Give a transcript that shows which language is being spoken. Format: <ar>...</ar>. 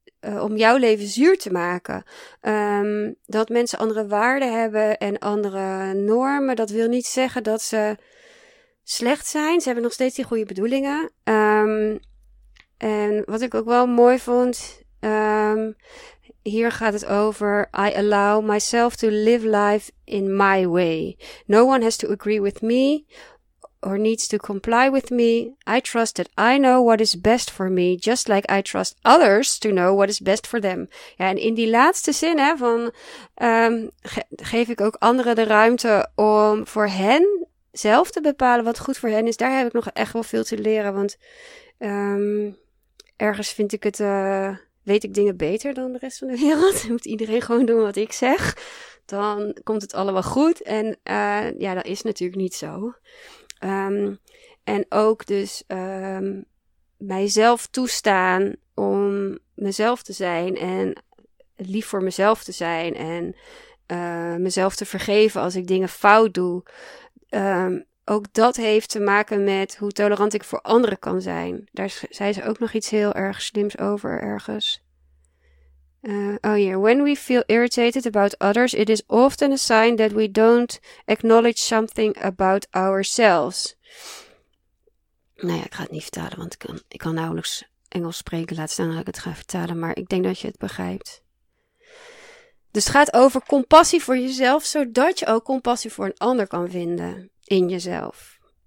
<nl>om jouw leven zuur te maken. Dat mensen andere waarden hebben en andere normen. Dat wil niet zeggen dat ze slecht zijn. Ze hebben nog steeds die goede bedoelingen. En wat ik ook wel mooi vond. Hier gaat het over.</nl> <en>I allow myself to live life in my way. No one has to agree with me. Or needs to comply with me. I trust that I know what is best for me. Just like I trust others to know what is best for them.</en> <nl>Ja, en in die laatste zin hè, van geef ik ook anderen de ruimte om voor hen zelf te bepalen wat goed voor hen is. Daar heb ik nog echt wel veel te leren. Want ergens vind ik het weet ik dingen beter dan de rest van de wereld. Dan moet iedereen gewoon doen wat ik zeg. Dan komt het allemaal goed. En ja, dat is natuurlijk niet zo. En ook dus mijzelf toestaan om mezelf te zijn en lief voor mezelf te zijn en mezelf te vergeven als ik dingen fout doe. Ook dat heeft te maken met hoe tolerant ik voor anderen kan zijn. Daar zei ze ook nog iets heel erg slims over ergens.</nl> <en>When we feel irritated about others, it is often a sign that we don't acknowledge something about ourselves.</en> <nl>Nou ja, ik ga het niet vertalen, want ik kan nauwelijks Engels spreken. Laat staan dat ik het ga vertalen, maar ik denk dat je het begrijpt. Dus het gaat over compassie voor jezelf, zodat je ook compassie voor een ander kan vinden in jezelf.</nl>